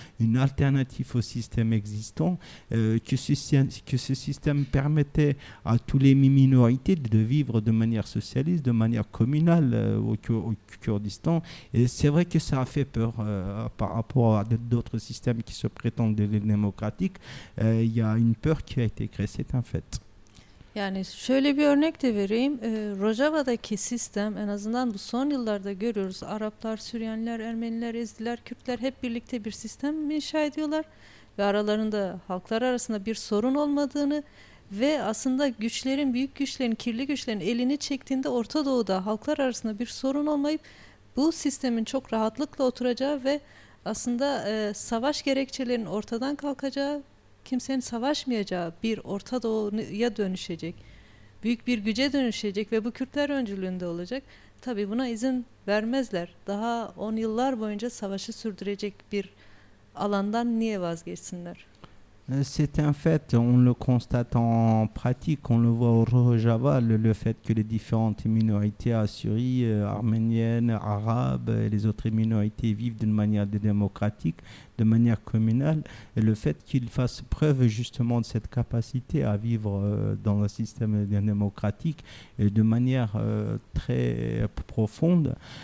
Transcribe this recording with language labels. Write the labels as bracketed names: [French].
[French] une alternative au système existant, que ce système permettait à tous les minorités de vivre de manière socialiste, de manière communale au Kurdistan. Et c'est vrai que ça a fait peur par rapport à d'autres systèmes qui se prétendent démocratiques, il y a une peur qui a été créée, c'est un fait. [Turkish] Yani şöyle bir örnek de vereyim. Rojava'daki sistem, en azından bu son yıllarda görüyoruz, Araplar, Süryaniler, Ermeniler, Ezdiler, Kürtler hep birlikte bir sistem inşa ediyorlar ve aralarında halklar arasında bir sorun olmadığını ve aslında güçlerin, büyük güçlerin, kirli güçlerin elini çektiğinde Orta Doğu'da halklar arasında bir sorun olmayıp bu sistemin çok rahatlıkla oturacağı ve aslında savaş gerekçelerinin ortadan kalkacağı, kimsenin savaşmayacağı bir Orta Doğu'ya dönüşecek, büyük bir güce dönüşecek ve bu Kürtler öncülüğünde olacak. Tabii buna izin vermezler. Daha 10 yıllar boyunca savaşı sürdürecek bir alandan niye vazgeçsinler? [French] C'est un fait, on le constate en pratique, on le voit au Rojava, le fait que les différentes minorités assyries, arméniennes, arabes et les autres minorités vivent d'une manière démocratique, de manière communale, et le fait qu'ils fassent preuve justement de cette capacité à vivre dans un système démocratique et de manière très profonde,